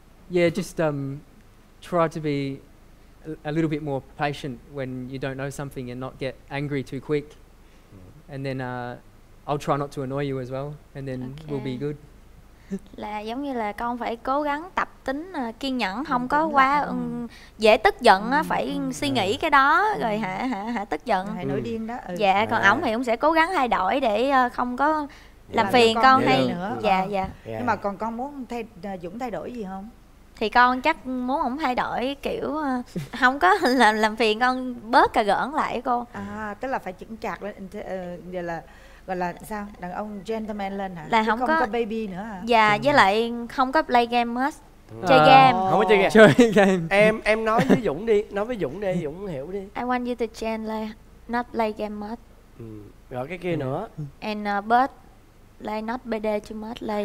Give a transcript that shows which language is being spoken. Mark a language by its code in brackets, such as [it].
[en] Yeah, just try to be a little bit more patient when you don't know something and not get angry too quick. And then I'll try not to annoy you as well, and then okay, we'll be good. [vi] Là giống như là con phải cố gắng tập tính kiên nhẫn, không có quá dễ tức giận á, phải suy nghĩ cái đó rồi hả tức giận hay nổi điên đó. Dạ, còn ổng thì ổng sẽ cố gắng thay đổi để không có làm phiền con hay nữa. Dạ dạ. Nhưng mà còn con muốn thay Dũng thay đổi gì không? Thì con chắc muốn ổng thay đổi kiểu không có làm phiền con, bớt cà gỡn lại cô. À, tức là phải chững chạc lên, là gọi là sao, đàn ông gentleman lên hả? Là không, không có baby nữa hả? Dạ, với lại không có [en] play game [vi] hết. Chơi game. Không có chơi game. Chơi game. Em nói với Dũng đi, nói với Dũng đi, Dũng hiểu đi. [en] I want you to change, like, not play game much. [vi] Rồi cái kia nữa. [en] And but like not bd too much, like.